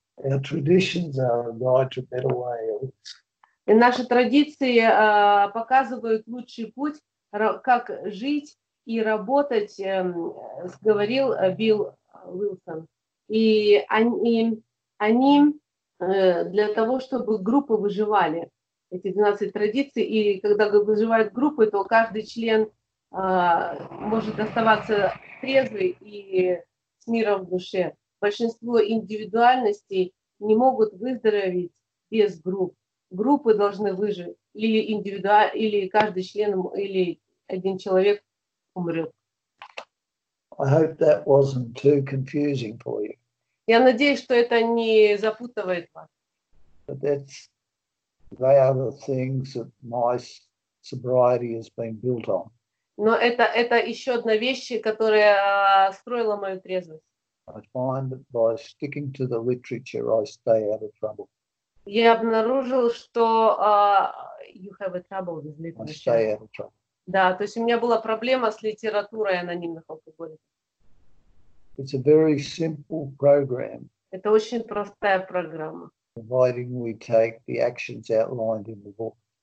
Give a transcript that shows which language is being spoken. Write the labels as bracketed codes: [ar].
[en] Our traditions are a guide to better ways. [ru] И наши традиции показывают лучший путь, как жить и работать, говорил Билл Уилсон. И они для того, чтобы группы выживали, эти 12 традиций, и когда выживают группы, то каждый член может оставаться трезвый и с миром в душе. Большинство индивидуальностей не могут выздороветь без групп. Группы должны выжить, или или каждый член, или один человек умрет. [en] I hope that wasn't too confusing for you. [ru] Я надеюсь, что это не запутывает вас. [en] But that's, they are the things that my sobriety has been built on. [ru] Но это еще одна вещь, которая строила мою трезвость. [en] I find that by sticking to the literature, I stay out of trouble. [ru] Я обнаружил, что [en] you have a trouble with literature. I stay out of trouble. [ru] Да, то есть у меня была проблема с литературой анонимных алкоголиков. [en] It's a very simple program. [ru] Это очень простая программа. [en] Providing we take the actions outlined in the book.